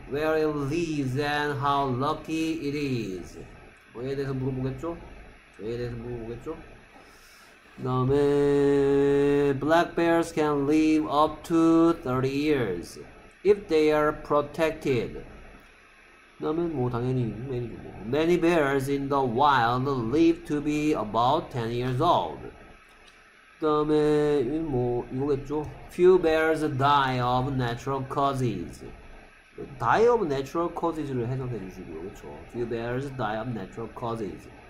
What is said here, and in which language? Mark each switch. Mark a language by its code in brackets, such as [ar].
[en] Where it lives and how lucky it is. [ko] 뭐에 대해서 물어보겠죠? 저에 대해서 물어보겠죠? 그 다음에 [en] Black bears can live up to 30 years if they are protected. [ko] 그 다음에 뭐 당연히 매니저고. [en] Many bears in the wild live to be about 10 years old. [ko] 그 다음에 뭐 이거겠죠? [en] Few bears die of natural causes. Die of natural causes를 [ko] 해석해 주시고요. 그렇죠. [en] Few bears die of natural causes.